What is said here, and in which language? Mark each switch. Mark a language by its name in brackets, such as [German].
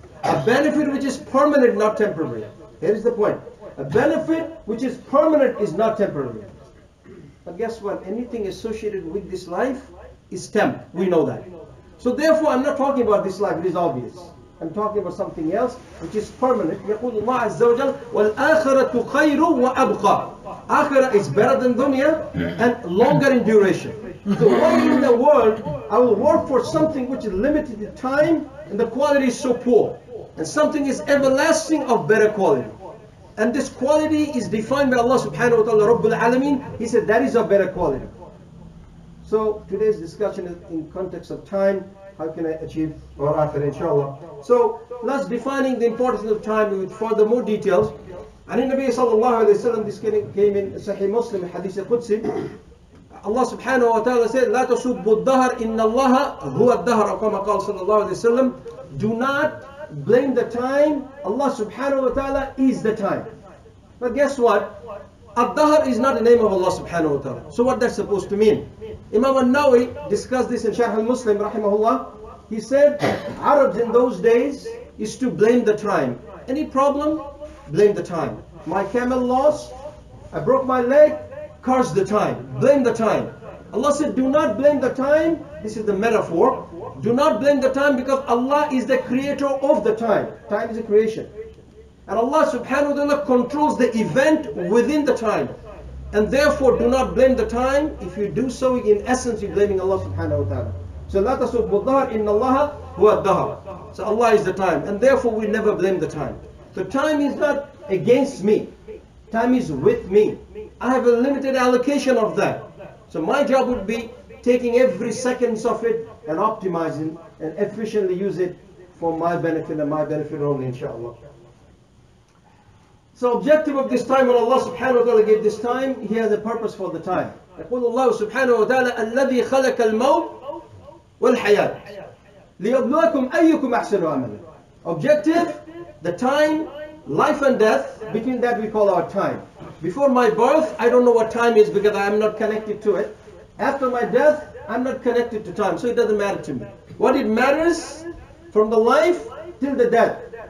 [English] A benefit which is permanent, not temporary. Here is the point. A benefit which is permanent is not temporary. But guess what? Anything associated with this life is temp. We know that. So therefore, I'm not talking about this life. It is obvious. I'm talking about something else which is permanent. [Arabic] يقول الله عز وجل والآخرة خير وأبقى. [English] Akhirah is better than dunya and longer in duration. So why in the world I will work for something which is limited in time and the quality is so poor, and something is everlasting of better quality. And this quality is defined by Allah subhanahu wa ta'ala, Rabbul Alameen. He said that is of better quality. So today's discussion is in context of time. How can I achieve or after, inshallah? So let's defining the importance of time with further more details. And in Nabi sallallahu alayhi wa sallam, this came in Sahih Muslim, Hadith al-Qudsi. [Arabic] Allah subhanahu wa ta'ala said, لا تسبوا الدهر إن الله هو الدهر. كما قال صلى الله عليه وسلم, [English] do not blame the time. Allah subhanahu wa ta'ala is the time. But guess what? Al-Dahr is not the name of Allah subhanahu wa ta'ala. So what that's supposed to mean? Imam al-Nawi discussed this in Sharh al-Muslim rahimahullah. He said, Arabs in those days is to blame the time. Any problem? Blame the time. My camel lost, I broke my leg, curse the time. Blame the time. Allah said, do not blame the time. This is the metaphor. Do not blame the time because Allah is the creator of the time. Time is a creation. And Allah subhanahu wa ta'ala controls the event within the time. And therefore, do not blame the time. If you do so, in essence, you're blaming Allah subhanahu wa ta'ala. [Arabic] So, لا تسبوا الدهر إن الله هو الدهر. [English] So, Allah is the time. And therefore, we never blame the time. The time is not against me. Time is with me. I have a limited allocation of that. So, my job would be taking every second of it and optimizing and efficiently use it for my benefit and my benefit only, inshallah. So objective of this time, when Allah subhanahu wa ta'ala gave this time, He has a purpose for the time. [Arabic] يقول الله سبحانه وتعالى الذي خلق الموت والحياة ليبلوكم أيكم أحسن عملا. [English] Objective, the time, life and death, between that we call our time. Before my birth, I don't know what time is because I am not connected to it. After my death, I'm not connected to time, so it doesn't matter to me. What it matters, from the life till the death.